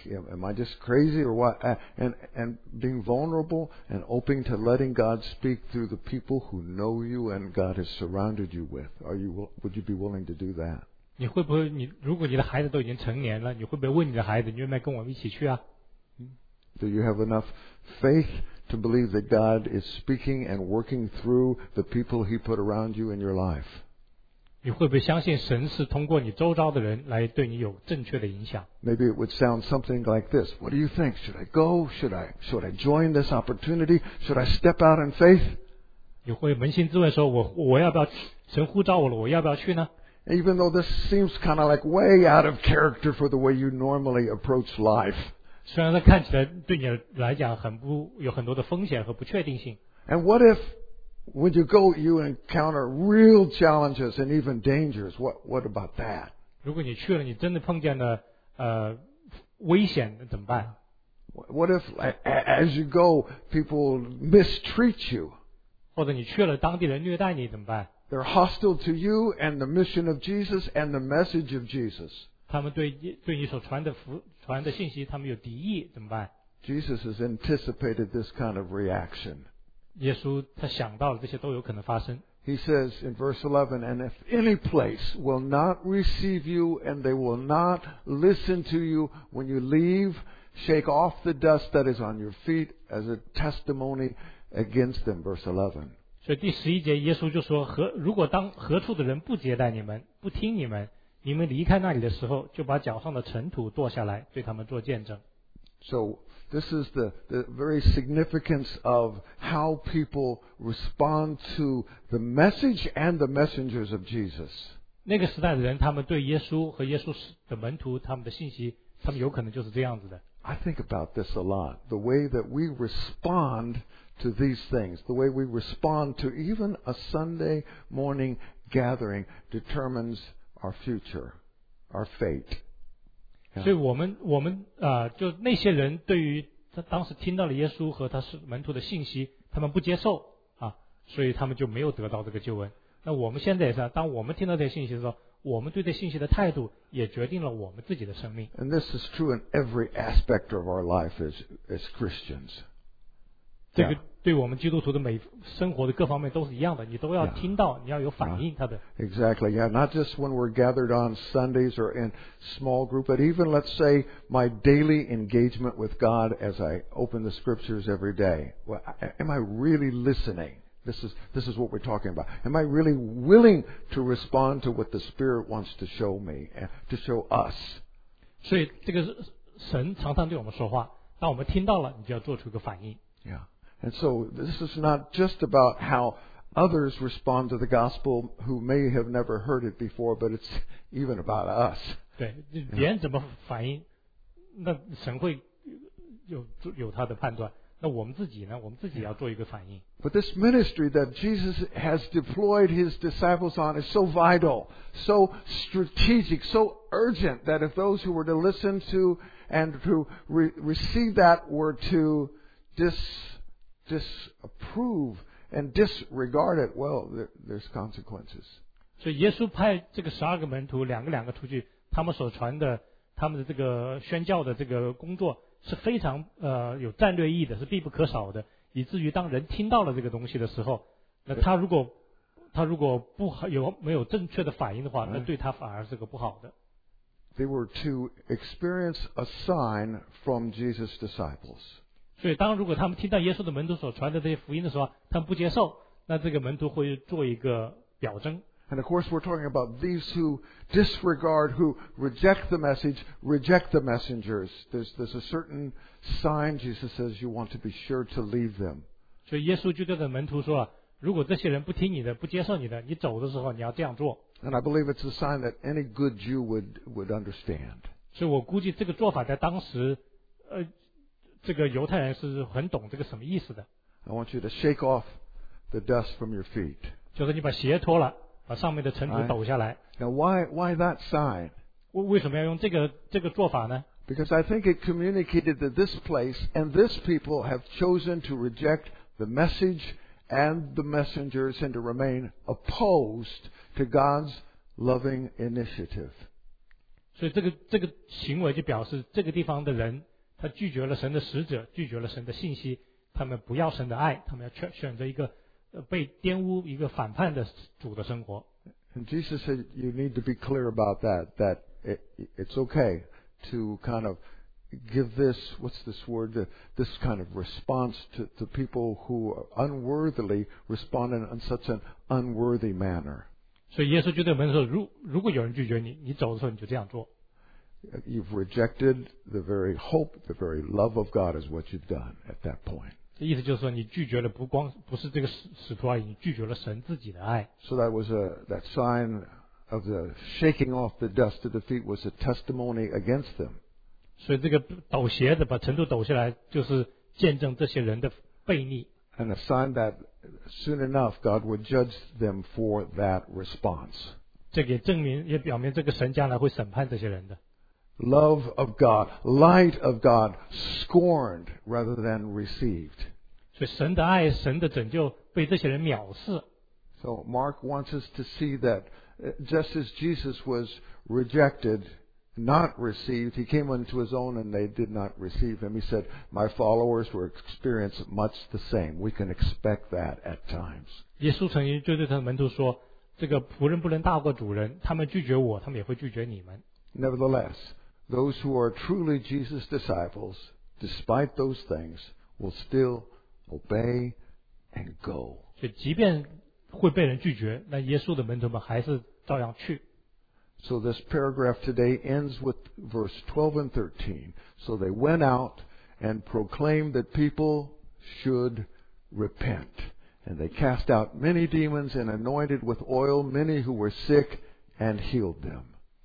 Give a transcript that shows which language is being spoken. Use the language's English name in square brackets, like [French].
[English] Am I just crazy or what? And being vulnerable and open to letting God speak through the people who know you and God has surrounded you with. Would you be willing to do that? [Chinese] 你会不会你如果你的孩子都已经成年了，你会不会问你的孩子，你愿不愿意跟我们一起去啊？ [English] Do you have enough faith to believe that God is speaking and working through the people He put around you in your life? [Chinese] 你会不会相信神是通过你周遭的人来对你有正确的影响？ [English] Maybe it would sound something like this. What do you think? Should I go? Should I join this opportunity? Should I step out in faith? [Chinese] 你会扪心自问说我要不要神呼召我了，我要不要去呢？ [English] Even though this seems kind of like way out of character for the way you normally approach life. [Chinese] 虽然它看起来对你来讲有很多的风险和不确定性。 [English] And what if when you go you encounter real challenges and even dangers? What about that? [Chinese] 如果你去了你真的碰见了危险怎么办？ [English] What if as you go people mistreat you? [Chinese] 或者你去了当地人虐待你怎么办？ [English] They're hostile to you and the mission of Jesus and the message of Jesus. [Chinese] 他们对你所传的信息他们有敌意怎么办？ [English] Jesus has anticipated this kind of reaction. [Chinese] 耶稣他想到了这些都有可能发生。 [English] He says in verse 11, and if any place will not receive you and they will not listen to you when you leave, shake off the dust that is on your feet as a testimony against them. Verse 11. [Chinese] 所以第十一节耶稣就说，如果当何处的人不接待你们，不听你们，你们离开那里的时候，就把脚上的尘土剁下来，对他们做见证。 [English] So this is the very significance of how people respond to the message and the messengers of Jesus. [Chinese] 那个时代的人，他们对耶稣和耶稣的门徒，他们的信息，他们有可能就是这样子的。 [English] I think about this a lot. The way that we respond to these things, the way we respond to even a Sunday morning gathering, determines our future, our fate. Yeah. [Chinese] 所以我们就那些人对于他当时听到了耶稣和他是门徒的信息，他们不接受啊，所以他们就没有得到这个救恩。那我们现在也是，当我们听到这些信息的时候，我们对这信息的态度也决定了我们自己的生命。 [English] And this is true in every aspect of our life as Christians. 这个 [Chinese] 对我们基督徒的每生活的各方面都是一样的，你都要听到，你要有反应他的。 [English] Exactly, yeah. Not just when we're gathered on Sundays or in small group, but even let's say my daily engagement with God as I open the Scriptures every day. Well, am I really listening? This is what we're talking about. Am I really willing to respond to what the Spirit wants to show me, to show us? [Chinese] 所以这个神常常对我们说话，当我们听到了，你就要做出一个反应。 [English] Yeah. And so this is not just about how others respond to the gospel who may have never heard it before, but it's even about us. [Chinese] 对，别人怎么反应，那神会有他的判断。那我们自己呢？我们自己要做一个反应。 [English] But this ministry that Jesus has deployed his disciples on is so vital, so strategic, so urgent that if those who were to listen to and to receive that were to disapprove and disregard it, well, there's consequences. [Chinese] 所以耶稣派这个十二个门徒两个两个出去，他们所传的他们的这个宣教的这个工作是非常有战略意义的，是必不可少的，以至于当人听到了这个东西的时候，那他如果不有没有正确的反应的话，那对他反而是个不好的。 [English] They were to experience a sign from Jesus' disciples. [Chinese] 所以当如果他们听到耶稣的门徒所传的这些福音的时候，他们不接受，那这个门徒会做一个表征。 [English] And of course, we're talking about these who disregard, who reject the message, reject the messengers. There's a certain sign Jesus says you want to be sure to leave them. [Chinese] 所以耶稣就对的门徒说，如果这些人不听你的，不接受你的，你走的时候你要这样做。 [English] And I believe it's a sign that any good Jew would understand. [Chinese] 所以我估计这个做法在当时，这个犹太人是很懂这个什么意思的。 [English] I want you to shake off the dust from your feet. [Chinese] 就是你把鞋脱了。把上面的尘土抖下来。 [English] Now why that sign? [Chinese] 为什么要用这个做法呢？ [English] Because I think it communicated that this place and this people have chosen to reject the message and the messengers and to remain opposed to God's loving initiative. [Chinese] 所以这个行为就表示这个地方的人他拒绝了神的使者，拒绝了神的信息，他们不要神的爱，他们要选择一个被玷污一个反叛的主的生活。 [English] And Jesus said, "You need to be clear about that. That it's okay to kind of give this what's this word this kind of response to people who unworthily respond in such an unworthy manner." [Chinese] 所以耶稣就对门徒说，如果有人拒绝你，你走的时候你就这样做。 [English] You've rejected the very hope, the very love of God is what you've done at that point. [Chinese] 这意思就是说，你拒绝了不是这个使徒而已，你拒绝了神自己的爱。 [English] So that was that sign of the shaking off the dust of the feet was a testimony against them. [Chinese] 所以这个抖鞋子把尘土抖下来，就是见证这些人的悖逆。 [English] And a sign that soon enough God would judge them for that response. [Chinese] 这个证明也表明这个神将来会审判这些人的。 [English] Love of God, light of God, scorned rather than received. [Chinese] 所以神的爱，神的拯救被这些人藐视。 [English] So Mark wants us to see that just as Jesus was rejected, not received, he came unto his own and they did not receive him. He said, my followers were experienced much the same. We can expect that at times. [Chinese] 耶稣曾经就对他的门徒说，这个仆人不能大过主人，他们拒绝我，他们也会拒绝你们。 [English] Nevertheless, those who are truly Jesus' disciples, despite those things, will still obey and go. [Chinese] 所以即便会被人拒绝，那耶稣的门徒们还是照样去。 [English] So this paragraph today ends with verse 12 and 13. So they went out and proclaimed that people should repent. And they cast out many demons and anointed with oil many who were sick and healed them.